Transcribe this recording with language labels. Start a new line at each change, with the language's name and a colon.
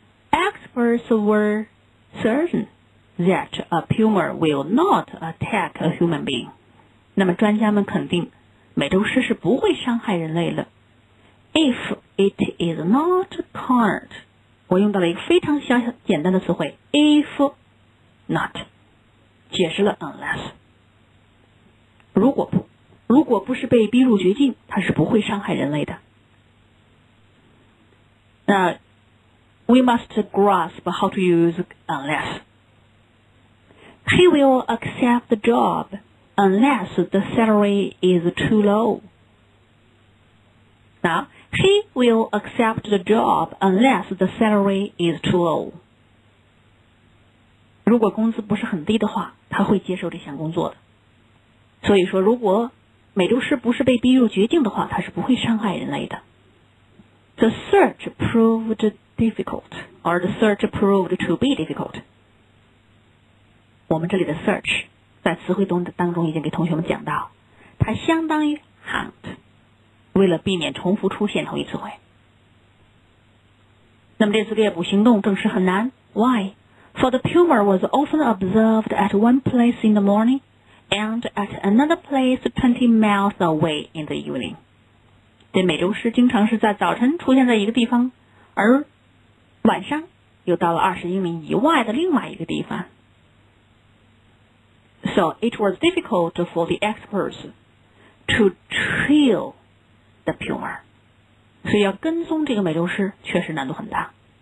English: Experts were certain that a tumor will not attack a human being.
Chinese: 那么专家们肯定美洲狮是不会伤害人类的。
English: If it is not cornered,
Chinese: 我用到了一个非常小小简单的词汇 if not, 解释了 unless。如果不是被逼入绝境，它是不会伤害人类的。
English: 那 we must grasp how to use unless. He will accept the job unless the salary is too low. Now, he will accept the job unless the salary is too low.
Chinese: 如果工资不是很低的话，他会接受这项工作的。所以说如果美洲狮不是被逼入绝境的话，它是不会伤害人类的。
English: The search proved difficult, or the search proved to be difficult.
Chinese: 我们这里的 search, 在词汇当中已经给同学们讲到，它相当于 hunt, 为了避免重复出现同一词汇。那么这次猎捕行动证实很难。
English: Why? For the tumor was often observed at one place in the morning,and at another place 20 miles away in the evening.
Chinese: 这美洲狮经常是在早晨出现在一个地方，而晚上又到了20英里以外的另外一个地方。
English: So it was difficult for the experts to trail the tumor.
Chinese: 所以要跟踪这个美洲狮确实难度很大。